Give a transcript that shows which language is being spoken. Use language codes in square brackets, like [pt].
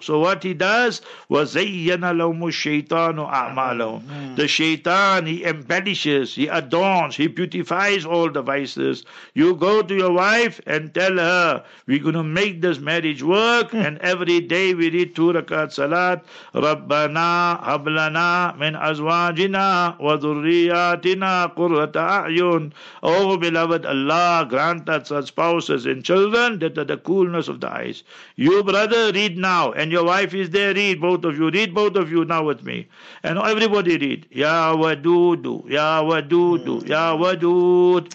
[en] So what he does, [ar] وَزَيَّنَ لَوْمُ الشَّيْطَانُ أَعْمَالَهُ. [en] The Shaitan, he embellishes, he adorns, he beautifies all the vices. You go to your wife and tell her, we're going to make this marriage work and every day we read 2 rakat salat. [ar] ربنا هب لنا من أزواجنا وذرياتنا قرة أعين. [en] Oh beloved Allah, grant us such spouses and children that are the coolness of the eyes. You brother, read now, and your wife is there, read, both of you, read, both of you now with me, and everybody read. Ya Wadudu, Ya Wadudu, Ya Wadud.